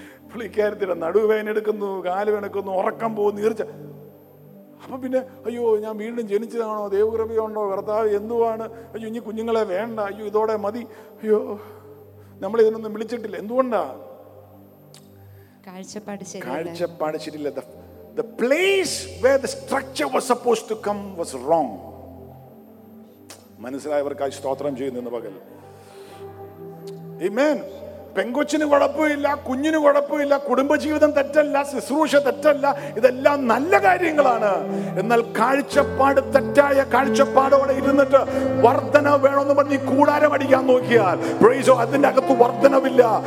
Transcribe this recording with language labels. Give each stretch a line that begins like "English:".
Malayalam: പുള്ളിക്കാരത്തിടെ നടുവേനെടുക്കുന്നു, കാലുവേനെടുക്കുന്നു, ഉറക്കം പോകുന്നു, നീർച്ച. അപ്പൊ പിന്നെ അയ്യോ ഞാൻ വീണ്ടും ജനിച്ചതാണോ, ദൈവകൃപയുണ്ടോ, കർത്താവ് എന്തുവാണ്, അയ്യോ ഇനി കുഞ്ഞുങ്ങളെ വേണ്ട, അയ്യോ ഇതോടെ മതി, അയ്യോ നമ്മൾ ഇതിനൊന്നും വിളിച്ചിട്ടില്ല. എന്തുകൊണ്ടാ? കാഴ്ചപ്പാട് ശരിയല്ല.
English: The place where the structure was supposed to come was wrong.
Malayalam: മനസ്സിലായവർക്കായി സ്തോത്രം ചെയ്യുന്നു പകൽ. ആമേൻ. പെങ്കൊച്ചിന് കുഴപ്പമില്ല, കുഞ്ഞിന് കുഴപ്പമില്ല, കുടുംബജീവിതം തെറ്റല്ല, ശുശ്രൂഷ തെറ്റല്ല, ഇതെല്ലാം നല്ല കാര്യങ്ങളാണ്. എന്നാൽ കാഴ്ചപ്പാട് തെറ്റായ കാഴ്ചപ്പാടോടെ ഇരുന്നിട്ട് വർധന വേണമെന്ന് പറഞ്ഞ് ഈ കൂടാരം അടിക്കാൻ നോക്കിയാൽ അതിന്റെ അകത്ത് വർധനവില്ല.